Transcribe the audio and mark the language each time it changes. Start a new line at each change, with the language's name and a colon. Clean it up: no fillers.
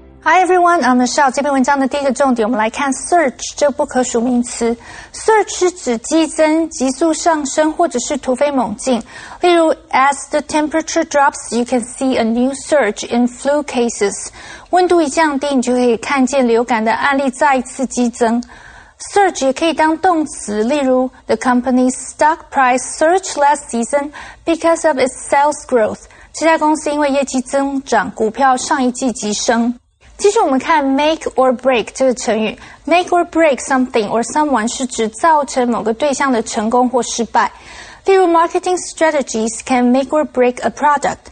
English: Hi everyone, I'm Michelle.
Chinese: 这篇文章的第一个重点，我们来看 search 这不可数名词。 search 是指激增、急速上升或者是突飞猛进。例如
English: ,as the temperature drops, you can see a new surge in flu cases.
Chinese: 温度一降低，你就可以看见流感的案例再次激增。
English: Surge
Chinese: 也可以当动词，例如
English: ,the company's stock price surged last season because of its sales growth.
Chinese: 这家公司因为业绩增长，股票上一季急升。其实我们看 make or break 这个成语 ,
English: make or break something or someone
Chinese: 是指造成某个对象的成功或失败。例如
English: ,marketing strategies can make or break a product.